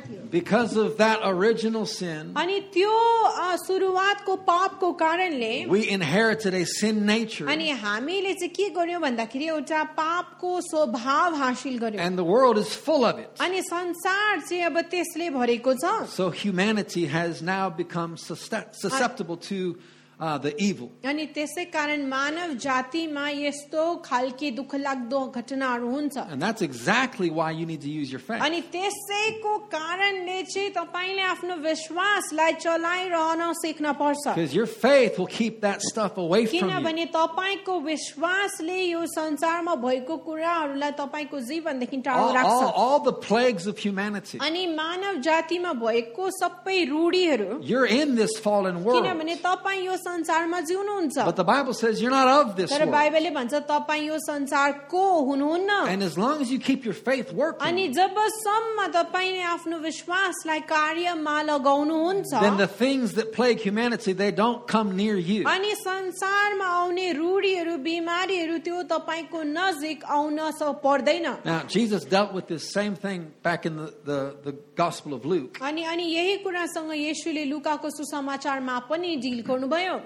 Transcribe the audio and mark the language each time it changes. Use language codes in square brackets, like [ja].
[en] Because of that original sin, we inherited a sin nature. And the world is full of it. So humanity has now become susceptible to the evil. [ne] अनि त्यसै कारण मानव जातिमा यस्तो खालकी दुःखलाग्दो घटनाहरू हुन्छ. [en] And that's exactly why you need to use your faith. [ne] अनि त्यसैको कारणले चाहिँ तपाईले आफ्नो विश्वासलाई चलाइरहन सिक्न पर्छ. [en] Because your faith will keep that stuff away from you. [ne] किनभने तपाईको विश्वासले यो संसारमा भएको कुराहरूलाई तपाईको जीवनदेखि टाढो राख्छ. [en] All the plagues of humanity. [ne] अनि मानव जातिमा भएको सबै रूढीहरू. [en] You're in this fallen world. [ne] किनभने तपाई यो संसारमा जिउनुहुन्छ. [en] But the Bible says you're not of this world. [ne] तर बाइबलले भन्छ तपाई यो संसारको हुनुहुन्न. [en] And as long as you keep your faith working. [ne] अनि जबसम्म तपाईले आफ्नो विश्वासलाई कार्यमा लगाउनुहुन्छ. [en] Then the things that plague humanity, they don't come near you. [ne] अनि संसारमा आउने रूढीहरू बिमारीहरू त्यो तपाईको नजिक आउन सक्दैन. [en] Now Jesus dealt with this same thing back in the Gospel of Luke. [ne] अनि यही कुरासँग येशूले लुकाको सुसमाचारमा पनि डील गर्नु